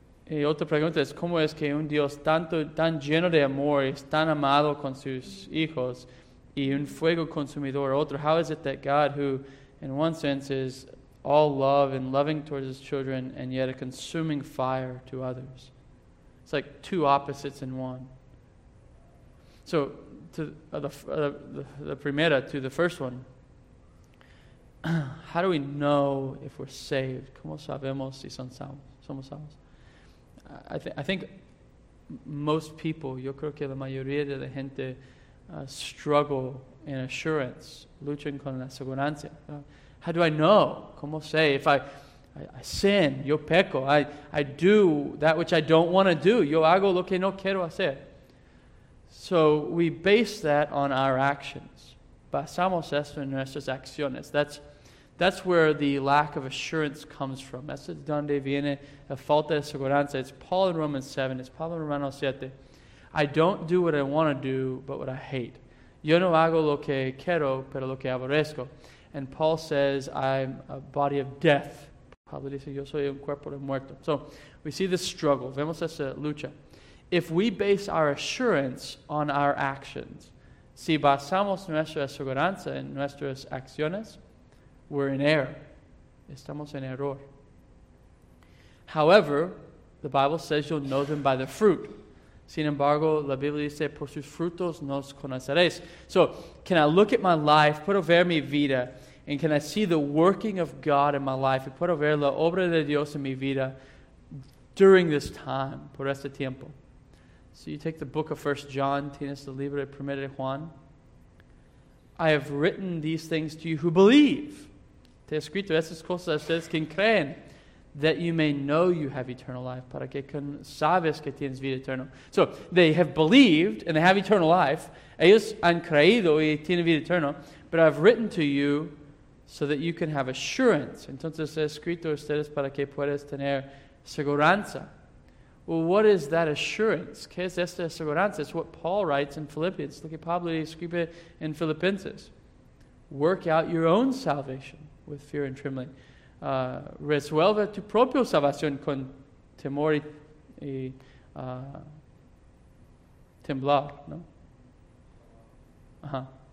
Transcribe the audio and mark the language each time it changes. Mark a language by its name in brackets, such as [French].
[Spanish] Y otra pregunta es, ¿cómo es que un Dios tanto, tan lleno de amor y es tan amado con sus hijos y un fuego consumidor? [English] Otro, how is it that God, who in one sense is all love and loving towards his children and yet a consuming fire to others? It's like two opposites in one. So, to the first one, how do we know if we're saved? [Spanish] ¿Cómo sabemos si somos salvos? [English] I think most people, [Spanish] yo creo que la mayoría de la gente [English] struggle in assurance, [Spanish] luchan con la seguridad. [English] How do I know? [Spanish] ¿Cómo sé? [English] If I sin, [Spanish] yo peco. [English] I do that which I don't want to do. [Spanish] Yo hago lo que no quiero hacer. [English] So we base that on our actions. [Spanish] Basamos eso en nuestras acciones. [English] That's where the lack of assurance comes from. [Spanish] Eso es donde viene la falta de seguridad. [English] It's Paul in Romans 7. It's Pablo en Romanos 7. I don't do what I want to do, but what I hate. [Spanish] Yo no hago lo que quiero, pero lo que aborrezco. [English] And Paul says, I'm a body of death. [Spanish] Pablo dice, yo soy un cuerpo de muerto. [English] So we see this struggle. [Spanish] Vemos esa lucha. [English] If we base our assurance on our actions, [Spanish] si basamos nuestra seguridad en nuestras acciones, [English] we're in error. [Spanish] Estamos en error. [English] However, the Bible says you'll know them by the fruit. [Spanish] Sin embargo, la Biblia dice, por sus frutos nos conoceréis. [English] So, can I look at my life, [Spanish] puedo ver mi vida, [English] and can I see the working of God in my life, [Spanish] y puedo ver la obra de Dios en mi vida [English] during this time, [Spanish] por este tiempo? [English] So you take the book of 1 John, [Spanish] tienes el libro de 1 Juan. [English] I have written these things to you who believe. [Spanish] Te he escrito esas cosas a ustedes que creen, [English] that you may know you have eternal life, [Spanish] para que sabes que tienes vida eterna. [English] So, they have believed, and they have eternal life. [Spanish] Ellos han creído y tienen vida eterna. [English] But I've written to you so that you can have assurance. [Spanish] Entonces, he escrito a ustedes para que puedas tener seguridad. [English] Well, what is that assurance? [Spanish] ¿Qué es esta seguridad? [English] It's what Paul writes in Philippians. Look at [Spanish] Pablo escribe en Filipenses. [English] Work out your own salvation with fear and trembling. [Spanish] Resuelve tu propio salvación con temor y temblar, ¿no? Ajá.